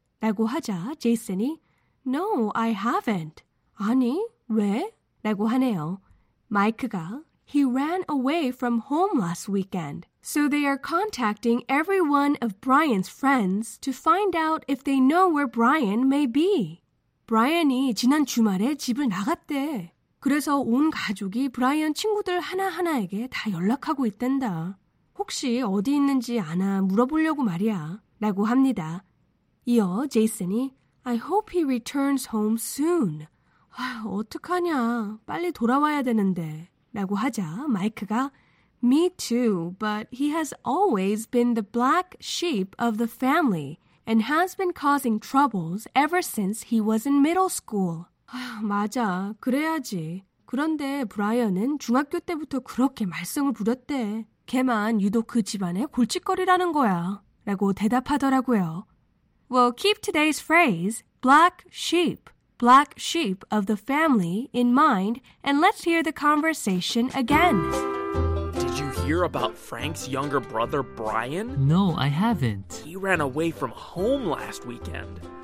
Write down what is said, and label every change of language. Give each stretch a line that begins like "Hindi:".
Korean: 라고 하자 제이슨이
English: No, I haven't.
Korean: 아니, 왜? 라고 하네요. 마이크가
English: He ran away from home last weekend. So they are contacting every one of Brian's friends to find out if they know where Brian may be.
Korean: Brian이 지난 주말에 집을 나갔대. 그래서 온 가족이 브라이언 친구들 하나하나에게 다 연락하고 있단다. 혹시 어디 있는지 아나 물어보려고 말이야. 라고 합니다. 이어 제이슨이
English: I hope he returns home soon.
Korean: 아, 어떡하냐. 빨리 돌아와야 되는데. 라고 하자 마이크가
English: Me too, but he has always been the black sheep of the family and has been causing troubles ever since he was in middle school.
Korean: 아, 맞아. 그래야지. 그런데 브라이언은 중학교 때부터 그렇게 말썽을 부렸대. 걔만 유독 그 집안의 골칫거리라는 거야. 라고 대답하더라고요.
English: Well, keep today's phrase, black sheep of the family, in mind, and let's hear the conversation again. Did you hear about Frank's younger brother, Brian? No, I haven't. He ran away from home last weekend.